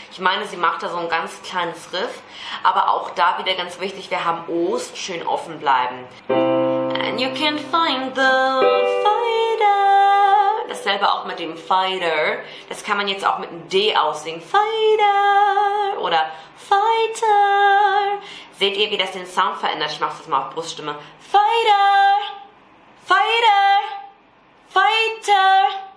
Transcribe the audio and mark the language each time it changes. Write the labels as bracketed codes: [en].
[de] Ich meine, sie macht da so ein ganz kleines Riff. Aber auch da wieder ganz wichtig, wir haben O's, schön offen bleiben. [en] And you can find the fighter. [de] Dasselbe auch mit dem fighter. Das kann man jetzt auch mit einem D aussingen. Fighter oder fighter. Seht ihr, wie das den Sound verändert? Ich mach's jetzt mal auf Bruststimme. Fighter! Fighter! Fighter!